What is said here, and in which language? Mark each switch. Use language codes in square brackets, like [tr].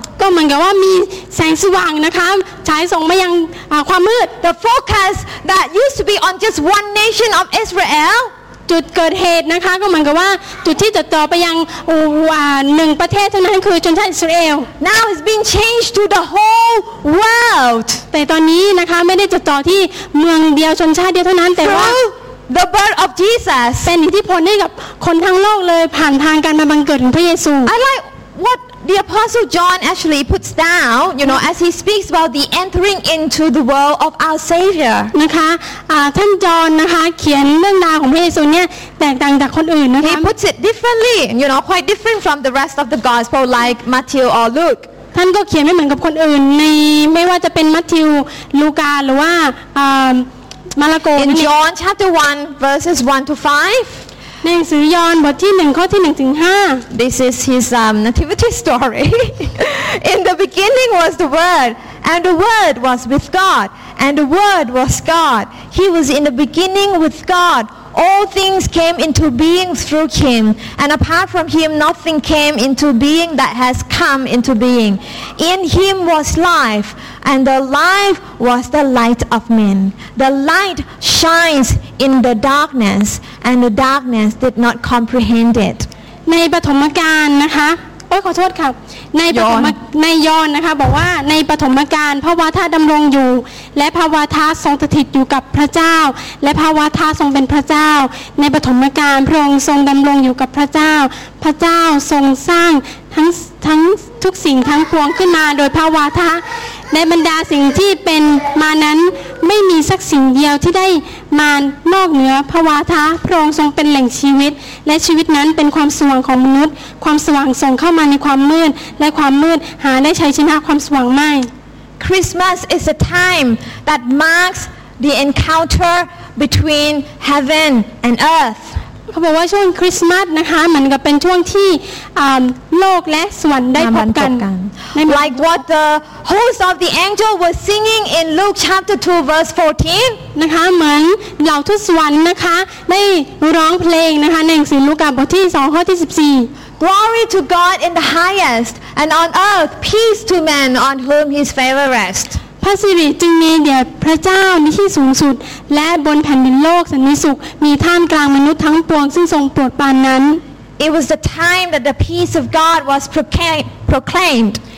[th] ก็เหมือนกับว่ามีแสงสว่างนะคะฉายส่องมายังความมืด [en] The focus that used to be on just one nation of Israel. [th] จุดเกิดเหตุนะคะก็เหมือนกับว่าจุดที่จดจ่อไปยังหนึ่งประเทศเท่านั้นคือชนชาติอิสราเอล [en] Now it's been changed to the whole world [th] แต่ตอนนี้นะคะไม่ได้จดจ่อที่เมืองเดียวชนชาติเดียวเท่านั้นแต่ว่า [en] the birth of Jesus [th] เป็นอิทธิพลให้กับคนทั้งโลกเลยผ่านทางการมาบังเกิดของพระเยซู [en] I like what the apostle John actually puts down you know as he speaks about the entering into the world of our savior [th] นะคะท่านจอห์นนะคะเขียนเรื่องราวของพระเยซูเนี่ยแตกต่างจากคนอื่นนะคะ [en] he puts it differently you know quite different from the rest of the gospel like Matthew or Luke [th] ท่านก็เขียนไม่เหมือนกับคนอื่นในไม่ว่าจะเป็นมัทธิวลูกาหรือว่ามาระโก [en] in John chapter 1 verses 1 to 5 [th] หนังสือยอห์นบทที่1ข้อที่1ถึง5 [en] This is his nativity story In the beginning was the word and the word was with God and the word was God He was in the beginning with God All things came into being through him and apart from him nothing came into being that has come into being In him was life and the life was the light of men The light shines in the darknessAnd the darkness did not comprehend it. [th] ในปฐมกาลนะคะโอ้ยขอโทษค่ะในปฐมในยอห์นนะคะบอกว่าในปฐมกาลพระวาทะดำรงอยู่และพระวาทะทรงสถิตอยู่กับพระเจ้าและพระวาทะทรงเป็นพระเจ้าในปฐมกาลพระองค์ทรงดำรงอยู่กับพระเจ้าพระเจ้าทรงสร้างทั้งทุกสิ่งทั้งปวงขึ้นมาโดยพระวาทะ ในบรรดาสิ่งที่เป็นมานั้นไม่มีสักสิ่งเดียวที่ได้มานอกเหนือพระวาทะพระองค์ทรงเป็นแหล่งชีวิตและชีวิตนั้นเป็นความสว่างของมนุษย์ความสว่างส่งเข้ามาในความมืดและความมืดหาได้ชัยชนะความสว่างไม่ [en] Christmas is a time that marks the encounter between heaven and earth [th] เขาบอกว่าช่วงคริสต์มาสนะคะมันก็เป็นช่วงที่โลกและสวรรค์ได้พบกัน [en] Like what the host of the angel was singing in Luke chapter 2 verse 14 [th] นะคะเหมือนเหล่าทูตสวรรค์นะคะได้ร้องเพลงนะคะในหนังสือลูกาบทที่2ข้อที่14 [en] Glory to God in the highest and on earth peace to men on whom his favor rests [th] พระสิริจึงมีแด่พระเจ้าในที่สูงสุดและบนแผ่นดินโลกสันติสุขมีท่ามกลางมนุษย์ทั้งปวงซึ่งทรงโปรดปรานนั้น [en] It was the time that the peace of God was proclaimed